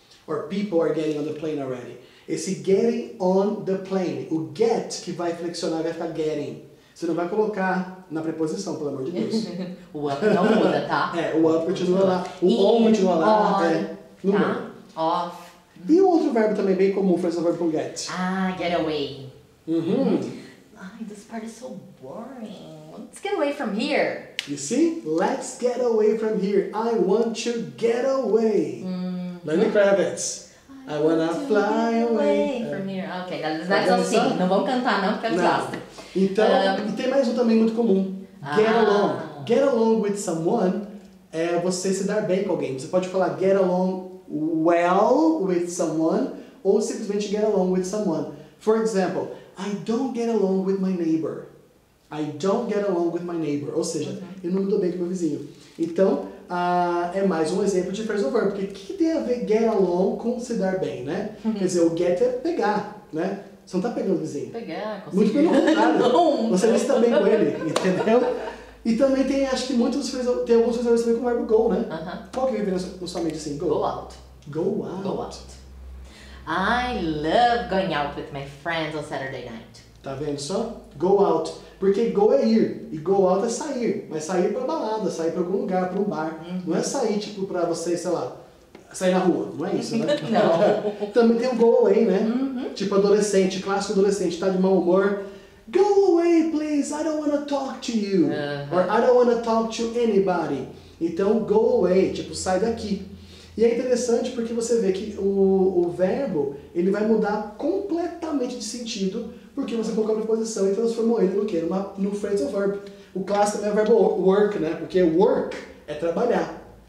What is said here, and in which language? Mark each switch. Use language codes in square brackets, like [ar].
[en] Or people are getting on the plane already. [pt] Esse getting on the plane, o get que vai flexionar vai ficar getting. Você não vai colocar na preposição, pelo amor de Deus. O up não muda, tá? É, o up continua lá. O on continua lá. [en] On, [pt] é, no tá? Off. E um outro verbo também bem comum, phrasal verb com get. [en] Ah, get away. Uhum. Ai, this part is so boring. Let's get away from here. You see? Let's get away from here. I want to get away. Lenny Kravitz. I wanna fly away. [pt] From here. Ok, that's all sim. Não vamos cantar não, porque eu gosto. Então, e tem mais um também muito comum. Get along. Get along with someone é você se dar bem com alguém. Você pode falar get along well with someone ou simplesmente get along with someone. [en] For example, I don't get along with my neighbor. I don't get along with my neighbor. [pt] Ou seja, eu não me dou bem com meu vizinho. Então, é mais um exemplo de phrasal verb. Porque o que tem a ver get along com se dar bem, né? Quer dizer, o get é pegar, né? Você não tá pegando o vizinho. Pegar, consigo. Muito pelo contrário. Não. Você não está bem com ele, entendeu? E também tem, acho que muitos phrasal, tem alguns phrasal verbs com o verbo go, né? Qual que vem na sua mente assim? Go. [en] Go out. Go out. Go out. I love going out with my friends on Saturday night. [pt] Tá vendo só? Go out. Porque go é ir. E go out é sair. Mas sair pra balada, sair pra algum lugar, pra um bar. Não é sair, tipo, pra você, sei lá, sair na rua. Não é isso, né? Não. Também tem o go away, né? Tipo, adolescente, clássico adolescente, tá de mau humor. [en] Go away, please. I don't want to talk to you. Or I don't want to talk to anybody. [pt] Então, go away. Tipo, sai daqui. E é interessante porque você vê que o verbo, ele vai mudar completamente de sentido porque você colocou a preposição e transformou ele no quê? No phrasal verb. O clássico é o verbo work, né? Porque work é trabalhar.